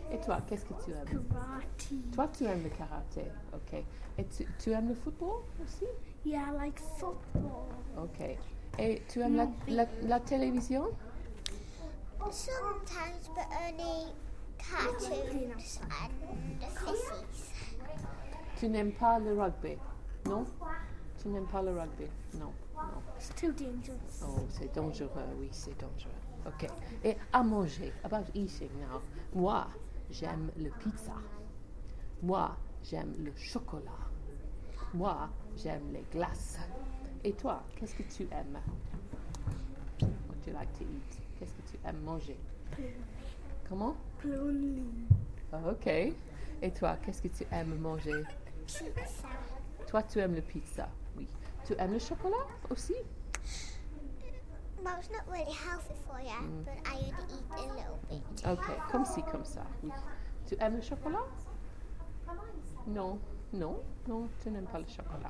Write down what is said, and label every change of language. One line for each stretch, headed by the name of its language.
French: Et toi, qu'est-ce que tu aimes? Karate. Toi, tu aimes le karaté. Okay. Et tu aimes le football aussi?
English: Yeah, I like football. Okay.
French: Et tu aimes la télévision?
English: Sometimes, but only cartoons and the fishies.
French: Tu n'aimes pas le rugby, non? Tu n'aimes pas le rugby, non.
English: C'est too dangerous.
French: Oh, c'est dangereux, oui, c'est dangereux.
English: OK.
French: Et à manger,
English: about eating now.
French: Moi, j'aime le pizza. Moi, j'aime le chocolat. Moi, j'aime les glaces. Et toi, qu'est-ce que tu aimes?
English: What do you like to eat?
French: Qu'est-ce que tu aimes manger?
English: Plum.
French: Comment?
English: Plum. OK.
French: Et toi, qu'est-ce que tu aimes manger? Pizza. Toi, tu aimes le pizza, oui. Tu aimes le chocolat aussi?
English: Well, it's not really healthy for you, but I only eat a little bit.
French: Okay, comme si, comme ça. Oui. Tu aimes le chocolat? Non, tu n'aimes pas le chocolat.